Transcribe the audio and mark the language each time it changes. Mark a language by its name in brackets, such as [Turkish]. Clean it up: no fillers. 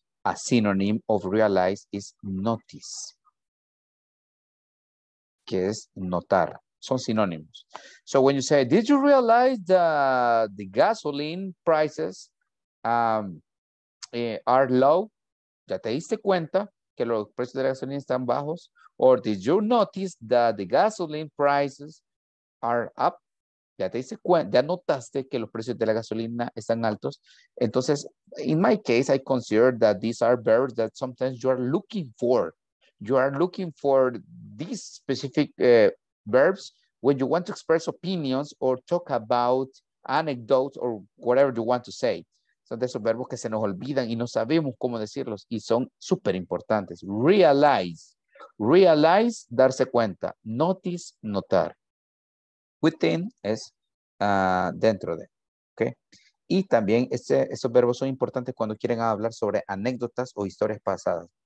[English] A synonym of realize is notice. [Spanish] Que es notar, son sinónimos. [English] So when you say, did you realize the gasoline prices are low? [Spanish] ¿Ya te diste cuenta que los precios de la gasolina están bajos? [English] Or did you notice that the gasoline prices are up? [Spanish] ¿Ya te diste cuenta? ¿Ya notaste que los precios de la gasolina están altos? [English] Entonces, in my case, I consider that these are verbs that sometimes you are looking for. You are looking for these specific verbs when you want to express opinions or talk about anecdotes or whatever you want to say. [Spanish] Son de esos verbos que se nos olvidan y no sabemos cómo decirlos y son súper importantes. [English] Realize. Realize, [Spanish] darse cuenta. Notice, notar. Within es dentro de. Okay. Y también esos verbos son importantes cuando quieren hablar sobre anécdotas o historias pasadas.